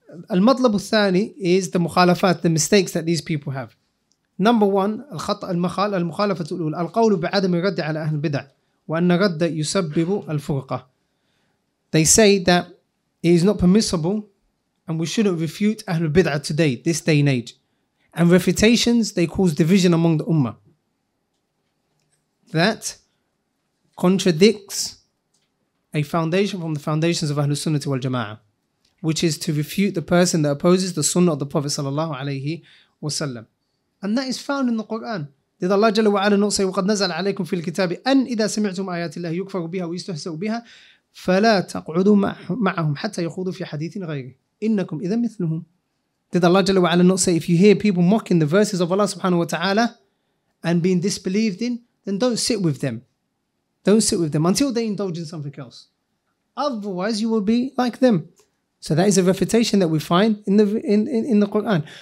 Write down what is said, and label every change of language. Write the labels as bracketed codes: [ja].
[ar] المطلب الثاني [en] is the مخالفات, the mistakes that these people have. Number one, [ar] الخطأ المخال المخالفة الأول, القول بعدم الرد على أهل البدع وأن الرد يسبب الفرقة. [en] they say that it is not permissible and we shouldn't refute Ahlul Bid'ah today, this day and age. And refutations, they cause division among the Ummah. That contradicts a foundation from the foundations of Ahlus Sunnah wal Jama'ah, which is to refute the person that opposes the Sunnah of the Prophet sallallahu alayhi wasallam. And that is found in the Quran. Did Allah Jalla wa'ala not say, [ar] وَقَدْ نَزَلَ عَلَيْكُمْ فِي الْكِتَابِ أَنْ إِذَا سَمِعْتُمْ آيَاتِ اللَّهِ يُكْفَرُ بِهَا وَيُسْتَهْزَأُ بِهَا فَلَا تَقْعُدُوا مَعَهُمْ حَتَّى يَخُوضُوا فِي حَدِيثٍ غَيْرِهِ إِنَّكُمْ إِذًا مِثْلُهُمْ. [en] Did Allah Jalla wa'ala not say, if you hear people mocking the verses of Allah subhanahu wa ta'ala and being disbelieved in, then don't sit with them. Don't sit with them until they indulge in something else. Otherwise, you will be like them. So that is a refutation that we find in the Quran.